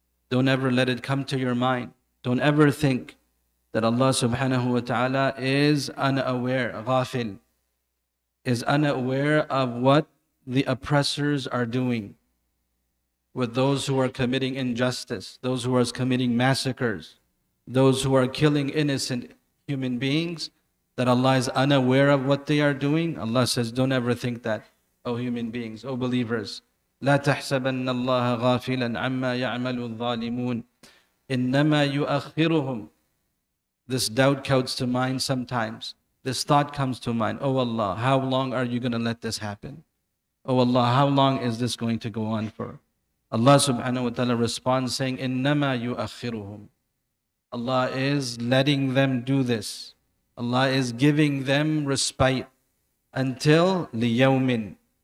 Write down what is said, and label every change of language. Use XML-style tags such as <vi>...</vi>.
<en>Don't ever let it come to your mind. Don't ever think that Allah subhanahu wa ta'ala is unaware, غافل, is unaware of what the oppressors are doing with those who are committing injustice, those who are committing massacres, those who are killing innocent human beings, that Allah is unaware of what they are doing. Allah says, don't ever think that, O human beings, O believers.</en> <ar>لا تحسبن الله غافلا عما يعمل الظالمون إنما يؤخرهم.</ar> <en>This doubt comes to mind sometimes. This thought comes to mind. Oh Allah, how long are you going to let this happen? Oh Allah, how long is this going to go on for? Allah subhanahu wa ta'ala responds saying,</en> <ar>إنما يؤخرهم.</ar> <en>Allah is letting them do this. Allah is giving them respite until لِيَوْمٍ.</en>